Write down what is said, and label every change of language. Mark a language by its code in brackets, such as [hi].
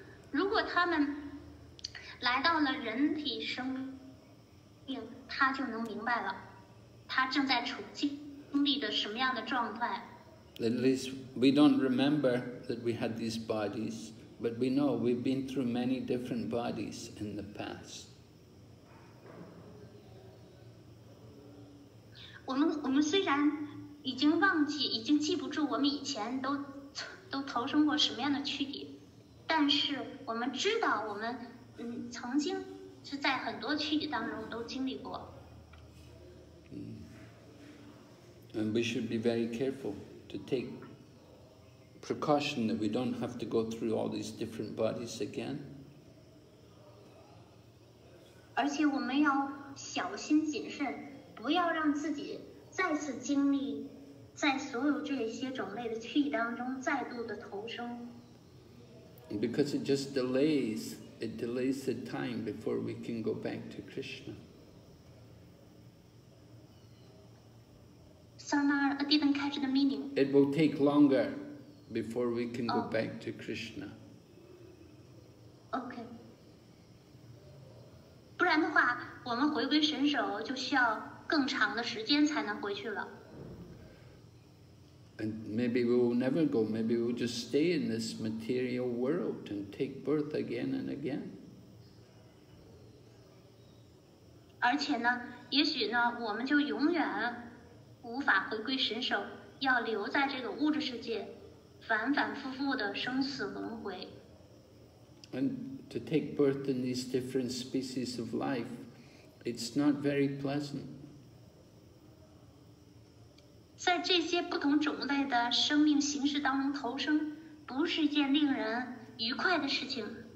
[zh] 如果他们来到了人体生境，他就能明白了他正在处境经历的什么样的状态。 [en] At least we don't remember that we had these bodies, but we know we've been through many different bodies in the past. [zh] 我们虽然已经忘记，已经记不住我们以前都投生过什么样的躯体，但是我们知道我们曾经是在很多躯体当中都经历过。 [en] And we should be very careful. To take precaution that we don't have to go through all these different bodies again. [zh] 而且我们要小心谨慎，不要让自己再次经历在所有这些种类的躯体当中再度的投生。 [en] Because it just delays, it delays the time before we can go back to Krishna. It will take longer before we can go back to Krishna. Okay. [zh] 不然的话，我们回归神手就需要更长的时间才能回去了。 [en] And maybe we will never go. Maybe we will just stay in this material world and take birth again and again. [zh] 而且呢，也许呢，我们就永远。无法回归神手，要留在这个物质世界，反反复复的生死轮回。 [en] And to take birth in these different species of life, it's not very pleasant. [zh] 在这些不同种类的生命形式当中投生，不是一件令人愉快的事情。